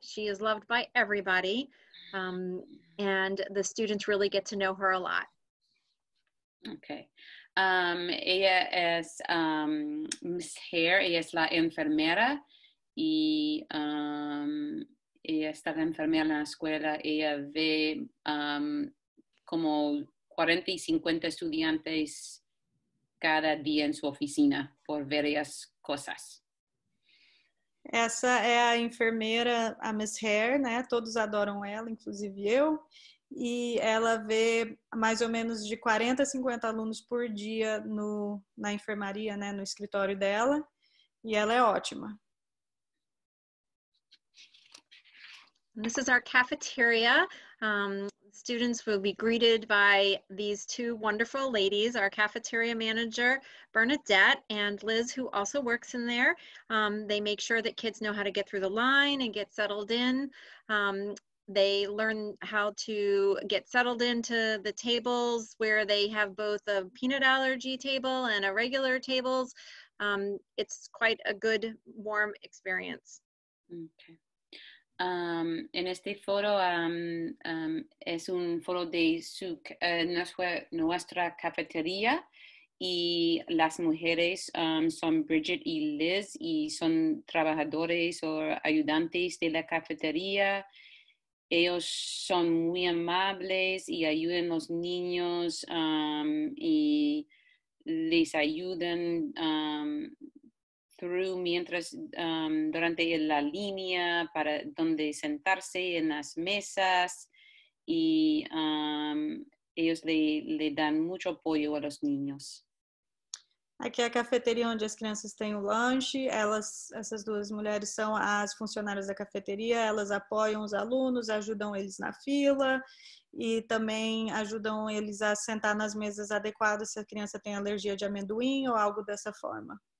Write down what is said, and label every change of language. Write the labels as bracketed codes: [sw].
[en] She is loved by everybody, and the students really get to know her a lot. Okay. [es] Ella es Miss Hare, ella es la enfermera, y ella está la enfermera en la escuela. Ella ve como 40 y 50 estudiantes cada día en su oficina por varias cosas. [pt] Essa é a enfermeira, a Miss Hare, né? Todos adoram ela, inclusive eu. E ela vê mais ou menos de 40 a 50 alunos por dia no, na enfermaria, né? No escritório dela. E ela é ótima. [en] This is our cafeteria. Students will be greeted by these two wonderful ladies, our cafeteria manager, Bernadette, and Liz, who also works in there. They make sure that kids know how to get through the line and get settled in. They learn how to get settled into the tables where they have both a peanut allergy table and a regular tables. It's quite a good, warm experience. Okay. [es] En este foro es un foro de nuestra cafetería y las mujeres son Bridget y Liz y son trabajadores o ayudantes de la cafetería. Ellos son muy amables y ayudan a los niños y les ayudan through mientras durante la línea para donde sentarse en las mesas y ellos le dan mucho apoyo a los niños. Aquí es la cafetería donde las [pt] crianças têm o lanche. Elas, essas duas mulheres são as funcionárias da cafeteria. Elas apoiam os alunos, ajudam eles na fila e também ajudam eles a sentar nas mesas adequadas se a criança tem alergia de amendoim ou algo dessa forma.